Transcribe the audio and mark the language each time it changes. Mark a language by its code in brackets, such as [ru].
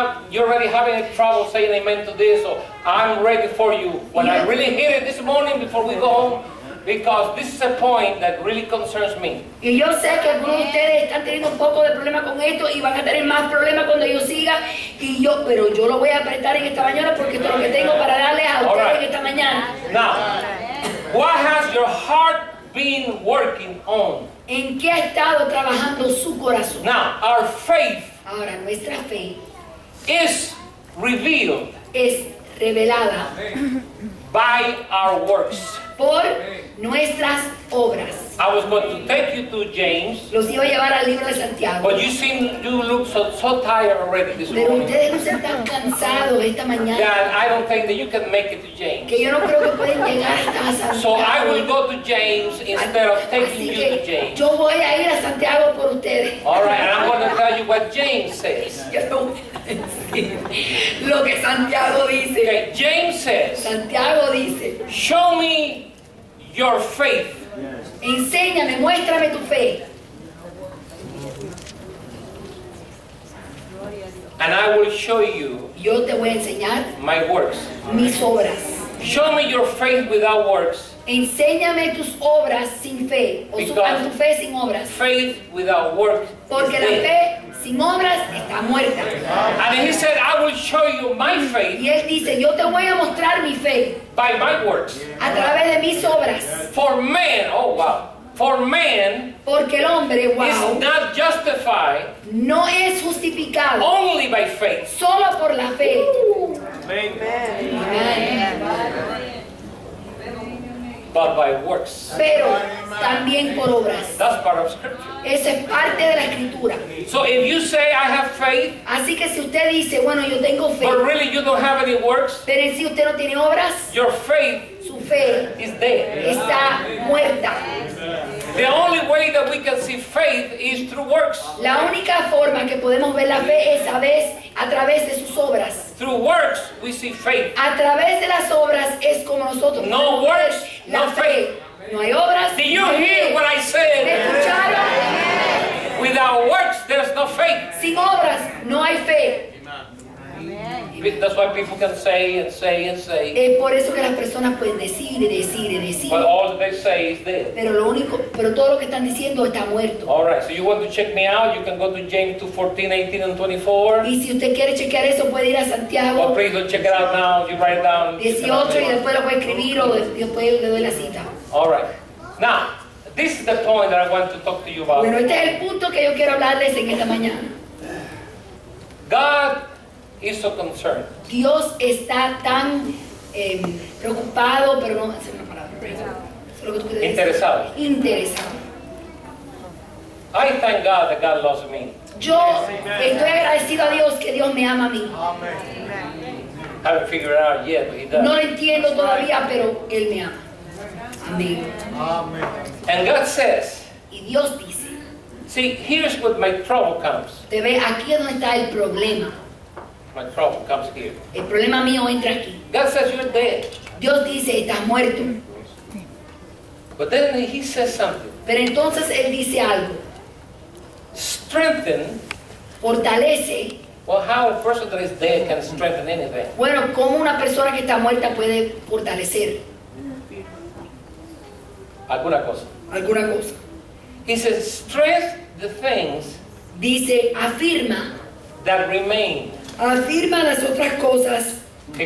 [en] You already having a trouble saying amen to this, so I'm ready for you. But yeah. I really hear it this morning before we go home, because this is a point that really concerns me. [es] Y yo sé que algunos de ustedes están teniendo un poco de problema con esto y van a tener más problemas cuando yo siga. Y yo, pero yo lo voy a apretar en esta mañana porque esto es lo que tengo para darle a ustedes [en] right. [es] en esta mañana. [en] Now, what has your heart been working on? [es] ¿En qué ha estado trabajando su corazón? [en] Now, our faith. [es] Ahora nuestra fe. [en] Is revealed. [es] Es revelada. [en] By our works. [es] Por nuestras obras. [en] I was going to take you to James. [es] Los iba a llevar al libro de Santiago. [en] But you seem to look so tired already this [es] Pero [en] morning. [es] Pero ustedes no están cansados esta mañana. [en] That I don't think that you can make it to James. [es] Que yo no creo que pueden llegar hasta Santiago. [en] So I will go to James instead of taking [es] Así [en] you [es] que [en] to James. [es] Yo voy a ir a Santiago por ustedes. [en] All right, and I'm going to tell you what James says. [es] Lo que Santiago dice. [en] Okay, James says. [es] Santiago dice. [en] Show me your faith. Yes. [es] Enséñame, muéstrame tu fe. [en] And I will show you. [es] Yo te voy a enseñar. [en] My works. [es] Mis obras. [en] Show me your faith without works. [es] Enséñame tus obras sin fe. O [en] Because [es] tu fe sin obras. [en] Faith without works. [es] Porque [en] is [es] la [en] dead. [es] Fe sin obras está muerta. [en] And he said, I will show you my faith. [es] Y él dice, yo te voy a mostrar mi fe. [en] By my works. [es] A través de mis obras. [en] For man, oh wow. For man. [es] Porque el hombre, wow. [en] Is not justified. [es] No es justificado. [en] Only by faith. [es] Solo por la fe. [en] Amen. [es] Amen. Amen. [en] But by works. [es] Pero también por obras. [en] That's part of scripture. [es] Esa es parte de la escritura. [en] So if you say I have faith. [es] Así que si usted dice, bueno, yo tengo fe. [en] But really you don't have any works. [es] Pero si usted no tiene obras. [en] Your faith. [es] Su fe. [en] Is dead. [es] Está muerta. [en] The only way that we can see faith is through works. [es] La única forma que podemos ver la fe es a veces a través de sus obras. [en] Through works we see faith. [es] A través de las obras es como nosotros. [en] No works, no faith. [es] No hay obras. [en] Do you hear what I said? [es] ¿Me escucharon? [en] Without works there's no faith. [es] Sin obras no hay fe. [en] Amen. That's why people can say and say and say. [es] Es por eso que las personas pueden decir y decir y decir. [en] But all they say is dead. [es] Pero lo único, pero todo lo que están diciendo está muerto. [en] All right, so you want to check me out? You can go to James 2:14, 18, and 24. [es] Y si usted quiere chequear eso, puede ir a Santiago. [en] But please don't check it out now. You write it down. [es] 18 y después lo puede escribir o después le doy la cita. [en] All right, now this is the point that I want to talk to you about. [es] Bueno, este es el punto que yo quiero hablarles en esta mañana. [en] God. He's so concerned. [es] Dios está tan preocupado, pero no es una palabra. Interesado. Interesado. [en] I thank God that God loves me. [es] Yo estoy agradecido a Dios que Dios me ama a mí. [en] Amen. I haven't figured it out yet, but He does. [es] No lo entiendo todavía, pero Él me ama. Amén. [en] Amen. And God says. [es] Y Dios dice. [en] See, here's where my trouble comes. [es] Te ve aquí donde está el problema. [en] My trouble comes here. [es] El problema mío entra aquí. [en] God says you're dead. [es] Dios dice, estás muerto. [en] But then he says something. [es] Pero entonces él dice algo. [en] Strengthen. [es] Fortalece. [en] Well, how a person that is dead can strengthen anything? [es] Bueno, ¿cómo una persona que está muerta puede fortalecer? Alguna cosa. Alguna cosa. [en] He says, strengthen the things. [es] Dice, afirma. [en] That remain. [es] Afirma las otras cosas que